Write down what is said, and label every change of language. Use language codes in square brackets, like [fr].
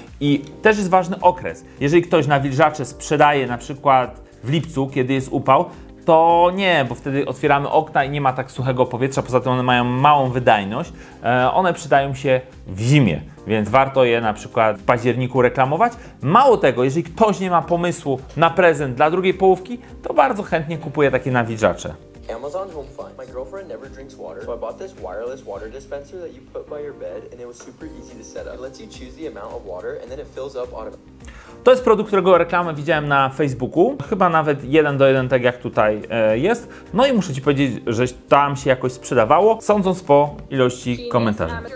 [pl] I też jest ważny okres. Jeżeli ktoś nawilżacze sprzedaje na przykład w lipcu, kiedy jest upał, to nie, bo wtedy otwieramy okna i nie ma tak suchego powietrza, poza tym one mają małą wydajność. One przydają się w zimie, więc warto je na przykład w październiku reklamować. Mało tego, jeżeli ktoś nie ma pomysłu na prezent dla drugiej połówki, to bardzo chętnie kupuje takie nawilżacze. [en] Amazon Home Fund. My girlfriend never drinks water, so I bought this wireless water dispenser that you put by your bed and it was super easy to set up. It lets you choose the amount of water and then it fills up automatically. [pl] To jest produkt, którego reklamę widziałem na Facebooku. Chyba nawet 1:1, tak jak tutaj jest. No i muszę ci powiedzieć, że tam się jakoś sprzedawało, sądząc po ilości komentarzy.